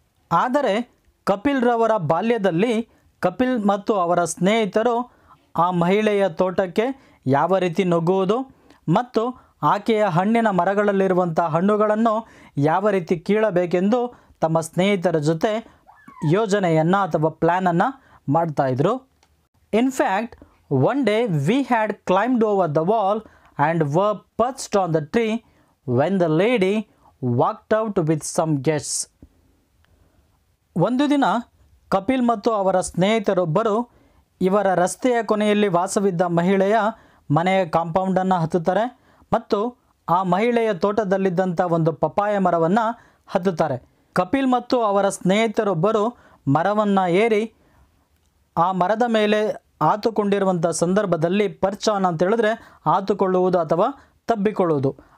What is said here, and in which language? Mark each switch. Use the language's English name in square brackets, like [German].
[Kannada] ಆದರೆ ಕಪಿಲ್ರವರ ಬಾಲ್ಯದಲ್ಲಿ ಕಪಿಲ್ ಮತ್ತು ಅವರ ಸ್ನೇಹಿತರು ಆ ಮಹಿಳೆಯ ತೋಟಕ್ಕೆ ಯಾವ ರೀತಿ ನುಗ್ಗುವುದು ಮತ್ತು ಆಕೆಯ ಹಣ್ಣಿನ ಮರಗಳಲ್ಲಿರುವಂಥ ಹಣ್ಣುಗಳನ್ನು ಯಾವ ರೀತಿ ಕೀಳಬೇಕೆಂದು ತಮ್ಮ ಸ್ನೇಹಿತರ ಜೊತೆ ಯೋಜನೆಯನ್ನು ಅಥವಾ ಪ್ಲ್ಯಾನನ್ನು ಮಾಡ್ತಾಯಿದ್ರು. [English] In fact one day we had climbed over the wall and were perched on the tree when the lady walked out with some guests. [Kannada] ಒಂದು ದಿನ ಕಪಿಲ್ ಮತ್ತು ಅವರ ಸ್ನೇಹಿತರೊಬ್ಬರು ಇವರ ರಸ್ತೆಯ ಕೊನೆಯಲ್ಲಿ ವಾಸವಿದ್ದ ಮಹಿಳೆಯ ಮನೆಯ ಕಾಂಪೌಂಡನ್ನು ಹತ್ತುತ್ತಾರೆ ಮತ್ತು ಆ ಮಹಿಳೆಯ ತೋಟದಲ್ಲಿದ್ದಂಥ ಒಂದು ಪಪ್ಪಾಯ ಮರವನ್ನು ಹತ್ತುತ್ತಾರೆ. ಕಪಿಲ್ ಮತ್ತು ಅವರ ಸ್ನೇಹಿತರೊಬ್ಬರು ಮರವನ್ನು ಏರಿ ಆ ಮರದ ಮೇಲೆ ಆತುಕೊಂಡಿರುವಂಥ ಸಂದರ್ಭದಲ್ಲಿ ಪರ್ಚಾನ್ ಅಂತೇಳಿದ್ರೆ ಆತುಕೊಳ್ಳುವುದು ಅಥವಾ ತಬ್ಬಿಕೊಳ್ಳುವುದು.